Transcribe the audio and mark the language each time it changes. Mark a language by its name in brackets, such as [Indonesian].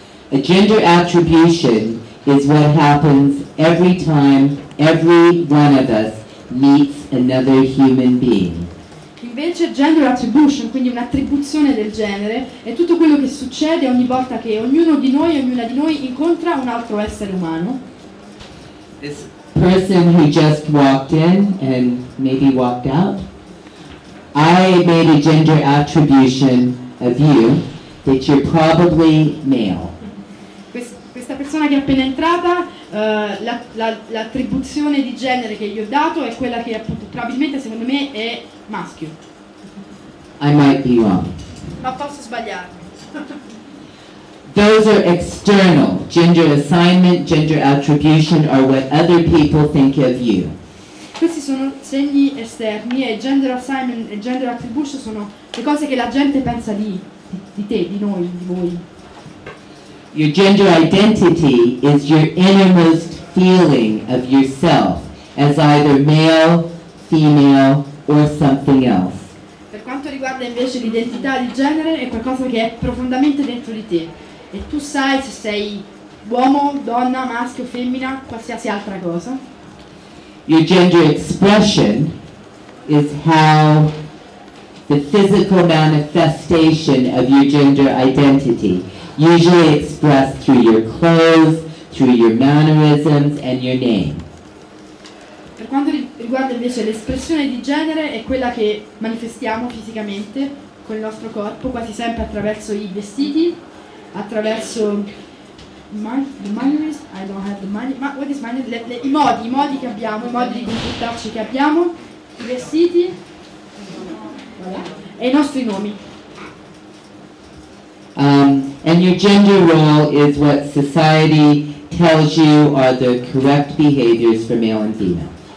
[English] A gender attribution is what happens every time every one of us meets another human being. [Italian] Invece gender attribution, quindi un'attribuzione del genere, è tutto quello che succede ogni volta che ognuno di noi, ognuna di noi incontra un altro essere umano. [English] This person who just walked in and maybe walked out, I made a gender attribution of you that you're probably male. [Italian] Questa persona che è appena entrata, l'attribuzione di genere che gli ho dato è quella che appunto probabilmente secondo me è maschio. [English] I might be wrong. [Italian] Ma posso sbagliarmi. [English] Those are external. Gender assignment, gender attribution are what other people think of you. [Italian] Questi sono segni esterni e gender assignment e gender attribution sono le cose che la gente pensa di te, di noi, di voi. [English] Your gender identity is your innermost feeling of yourself as either male, female or something else. [Italian] Per quanto riguarda invece l'identità di genere è qualcosa che è profondamente dentro di te e tu sai se sei uomo, donna, maschio, femmina, qualsiasi altra cosa. [English] Your gender expression is how the physical manifestation of your gender identity, usually expressed through your clothes, through your mannerisms, and your name. [Italian] Per quanto riguarda invece l'espressione di genere è quella che manifestiamo fisicamente con il nostro corpo, quasi sempre attraverso i vestiti, attraverso i modi che abbiamo, i modi di comportarci che abbiamo, i vestiti e i nostri nomi. [English] And your gender role is what society tells you are the correct behaviors for male and female.